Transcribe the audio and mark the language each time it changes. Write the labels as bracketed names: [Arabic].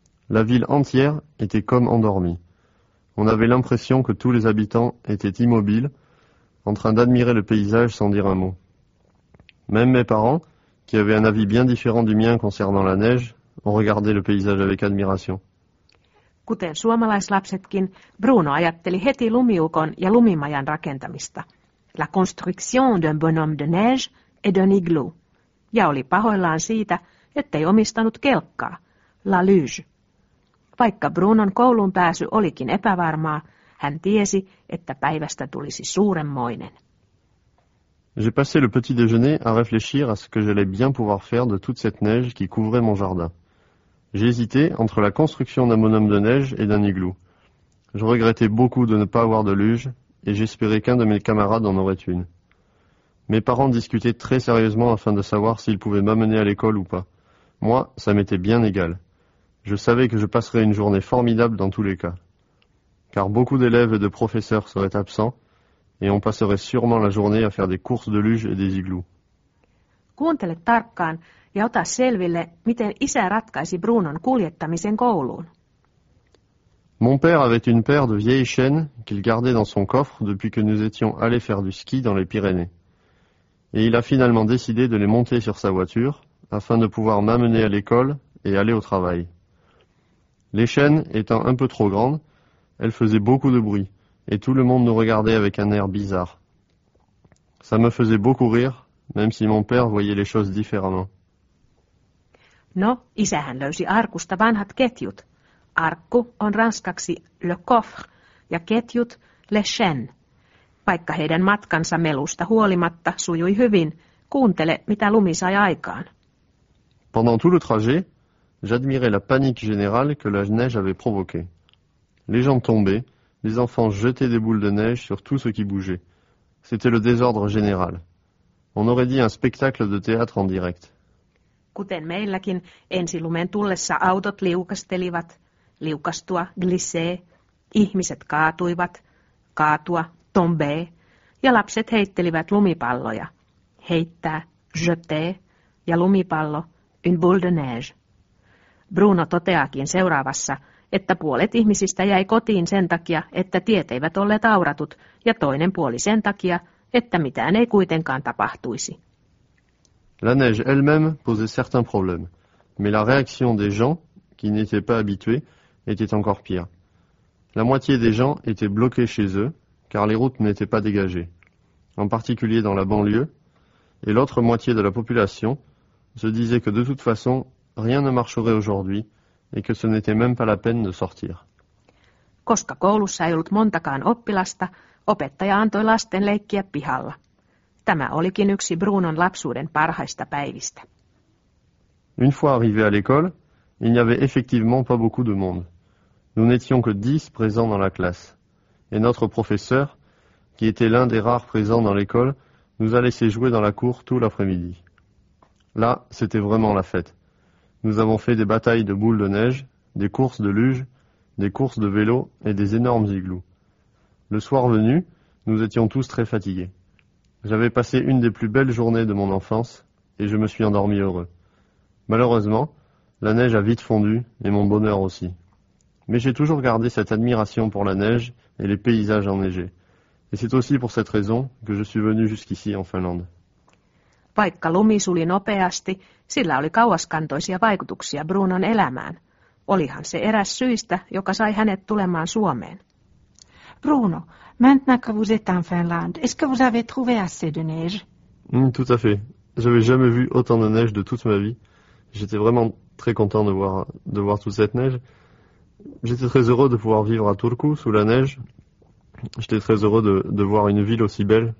[French] La ville entière était comme endormie. On avait l'impression que tous les habitants étaient immobiles, en train d'admirer le paysage sans dire un mot. Même mes parents, qui avaient un avis bien différent du mien concernant la neige, ont regardé le paysage avec admiration. [Finnish] Kuten suomalaislapsetkin, Bruno ajatteli heti lumiukon ja lumimajan rakentamista. [French] La construction d'un bonhomme de neige et d'un igloo. [Finnish] Ja oli pahoillaan siitä, ettei omistanut kelkkaa. [French] La luge. [Finnish] Vaikka Brunon koulun pääsy olikin epävarmaa, hän tiesi, että päivästä tulisi suuremmoinen. [French] J'ai passé le petit déjeuner à réfléchir à ce que j'allais bien pouvoir faire de toute cette neige qui couvrait mon jardin. J'ai hésité entre la construction d'un bonhomme de neige et d'un igloo. Je regrettais beaucoup de ne pas avoir de luge et j'espérais qu'un de mes camarades en aurait une. Mes parents discutaient très sérieusement afin de savoir s'ils pouvaient m'amener à l'école ou pas. Moi, ça m'était bien égal. Je savais que je passerais une journée formidable dans tous les cas. Car beaucoup d'élèves et de professeurs seraient absents, et on passerait sûrement la journée à faire des courses de luge et des igloos. [Finnish] Kuuntele tarkkaan ja ota selville, miten isä ratkaisi Brunon kuljettamisen kouluun. [French] Mon père avait une paire de vieilles chaînes qu'il gardait dans son coffre depuis que nous étions allés faire du ski dans les Pyrénées. Et il a finalement décidé de les monter sur sa voiture afin de pouvoir m'amener à l'école et aller au travail. Les chaînes étant un peu trop grandes, elles faisaient beaucoup de bruit, et tout le monde nous regardait avec un air bizarre. Ça me faisait beaucoup rire, même si mon père voyait les choses différemment. [Finnish] No, isähän löysi arkusta vanhat ketjut. Arkku on ranskaksi le coffre ja ketjut les chaînes. Vaikka heidän matkansa melusta huolimatta sujui hyvin, kuuntele, mitä lumi sai aikaan. [French] Pendant tout le trajet, j'admirais la panique générale que la neige avait provoquée. Les gens tombaient, les enfants jetaient des boules de neige sur tout ce qui bougeait. C'était le désordre général. On aurait dit un spectacle de théâtre en direct. [Finnish] Kuten meilläkin, ensi lumen tullessa autot liukastelivat, liukastua, glissee, ihmiset kaatuivat, kaatua, tombee, ja lapset heittelivät lumipalloja, heittää, jeter, ja lumipallo, [French] une boule de neige. [Finnish] Bruno toteaakin seuraavassa, että puolet ihmisistä jäi kotiin sen takia, että tiet eivät olleet auratut, ja toinen puoli sen takia, että mitään ei kuitenkaan tapahtuisi. [French] La neige elle-même posait certains problèmes, mais la réaction des gens, qui n'étaient pas habitués, était encore pire. La moitié des gens étaient bloqués chez eux, car les routes n'étaient pas dégagées, en particulier dans la banlieue, et l'autre moitié de la population se disait que de toute façon, rien ne marcherait aujourd'hui, et que ce n'était même pas la peine de sortir. [Finnish] Koska koulussa ei ollut montakaan oppilasta, opettaja antoi lasten leikkiä pihalla. Tämä olikin yksi Brunon lapsuuden parhaista päivistä. [French] Une fois arrivé à l'école, il n'y avait effectivement pas beaucoup de monde. Nous n'étions que 10 présents dans la classe. Et notre professeur, qui était l'un des rares présents dans l'école, nous a laissé jouer dans la cour tout l'après-midi. Là, c'était vraiment la fête. Nous avons fait des batailles de boules de neige, des courses de luge, des courses de vélo et des énormes igloos. Le soir venu, nous étions tous très fatigués. J'avais passé une des plus belles journées de mon enfance et je me suis endormi heureux. Malheureusement, la neige a vite fondu et mon bonheur aussi. Mais j'ai toujours gardé cette admiration pour la neige et les paysages enneigés. Et c'est aussi pour cette raison que je suis venu jusqu'ici en Finlande. [Finnish] Vaikka lumi suli nopeasti, sillä oli kauaskantoisia vaikutuksia Brunon elämään. Olihan se eräs syistä, joka sai hänet tulemaan Suomeen. [French] Bruno, maintenant que vous êtes en Finlande, est-ce que vous avez trouvé assez de neige? Tout à fait. Je n'avais jamais vu autant de neige de toute ma vie. J'étais vraiment très content de voir toute cette neige. J'étais très heureux de pouvoir vivre à Turku sous la neige. J'étais très heureux de voir une ville aussi belle.